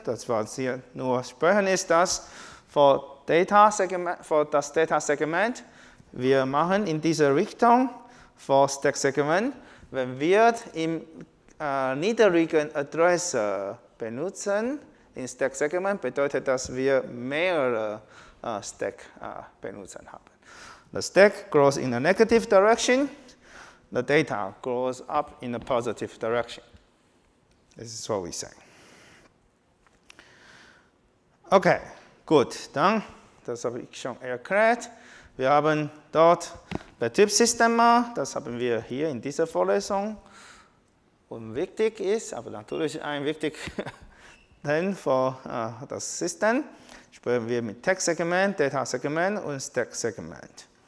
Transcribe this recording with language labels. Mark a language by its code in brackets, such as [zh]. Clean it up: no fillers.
[de] Das, was Sie nur sprechen, ist das. Für das Data Segment, wir machen in dieser Richtung, für Stack Segment, wenn wir im niedrigen Adresse benutzen, in Stack Segment bedeutet, dass wir mehrere Stack benutzen haben. [en] The stack grows in a negative direction. The data grows up in a positive direction. This is what we say. [de] Okay, gut, dann, das habe ich schon erklärt. Wir haben dort Betriebssysteme, das haben wir hier in dieser Vorlesung. Und wichtig ist, aber natürlich ein wichtiger Teil für das System, sprechen wir mit Text-Segment, Data-Segment und Stack-Segment.